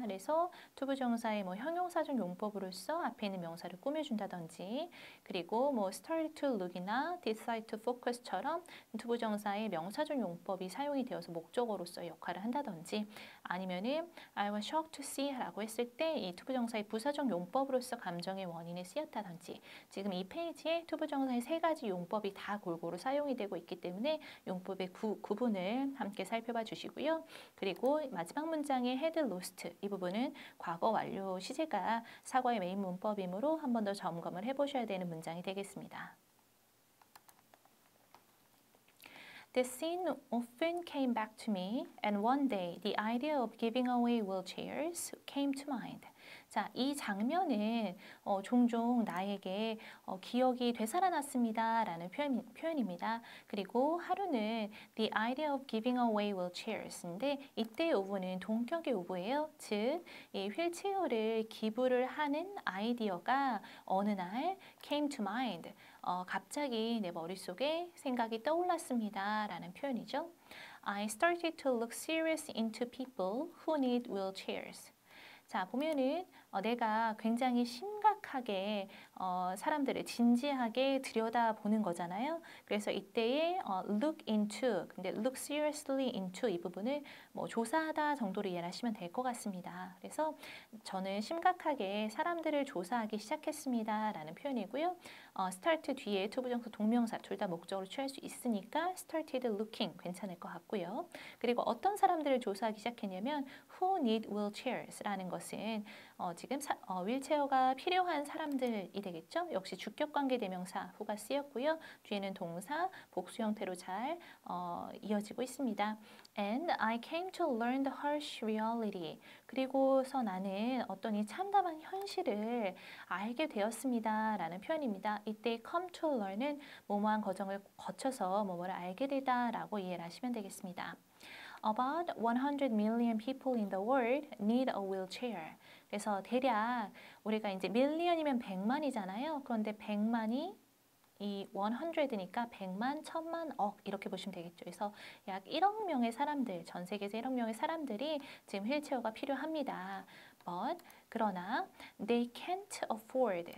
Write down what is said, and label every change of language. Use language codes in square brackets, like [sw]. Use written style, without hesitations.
[ko] 그래서 투부정사의 뭐 형용사적 용법으로서 앞에 있는 명사를 꾸며준다든지, 그리고 뭐 start to look이나 decide to focus처럼 투부정사의 명사적 용법이 사용이 되어서 목적어로서 역할을 한다든지, 아니면은 [en] I was shocked to see [ko] 라고 했을 때이 투부정사의 부사적 용법으로서 감정의 원인을 쓰였다든지, 지금 이 페이지에 투부정사의 세 가지 용법이 다 골고루 사용이 되고 있기 때문에 용법의 구분을 함께 살펴봐 주시고요. 그리고 마지막 문장의 had lost 이 부분은 과거 완료 시제가 사과의 메인 문법이므로 한번더 점검을 해보셔야 되는 문장이 되겠습니다. [en] The scene often came back to me, and one day the idea of giving away wheelchairs came to mind. [ko] 자, 이 장면은 종종 나에게 기억이 되살아났습니다라는 표현입니다. 그리고 하루는 [en] the idea of giving away wheelchairs [ko] 인데 이때의 오브는 동격의 오브예요. 즉, 이 휠체어를 기부를 하는 아이디어가 어느 날 [en] came to mind. [ko] 갑자기 내 머릿속에 생각이 떠올랐습니다라는 표현이죠. [en] I started to look serious into people who need wheelchairs. [ko] 자, 보면은 내가 굉장히 심각하게 사람들을 진지하게 들여다보는 거잖아요. 그래서 이때의 look into, 근데 look seriously into 이 부분을 뭐 조사하다 정도로 이해를 하시면 될것 같습니다. 그래서 저는 심각하게 사람들을 조사하기 시작했습니다라는 표현이고요. start 뒤에 투부정사 동명사 둘다 목적으로 취할 수 있으니까 started looking 괜찮을 것 같고요. 그리고 어떤 사람들을 조사하기 시작했냐면 [en] who need wheelchairs [ko] 라는 것은 지금 휠체어가 필요한 사람들이 되겠죠? 역시 주격 관계 대명사 who가 쓰였고요. 뒤에는 동사 복수 형태로 잘 이어지고 있습니다. [en] And I came to learn the harsh reality. [ko] 그리고서 나는 어떤 이 참담한 현실을 알게 되었습니다라는 표현입니다. 이때 come to learn은 무모한 과정을 거쳐서 뭐뭐를 알게 되다라고 이해를 하시면 되겠습니다. [en] About 100 million people in the world need a wheelchair. [ko] 그래서 대략 우리가 이제 밀리언이면 100만이잖아요. 그런데 100만이 이 100이니까 100만, 1000만, 억 이렇게 보시면 되겠죠. 그래서 약 1억 명의 사람들, 전 세계에서 1억 명의 사람들이 지금 휠체어가 필요합니다. [en] But [ko] 그러나 [en] they can't afford.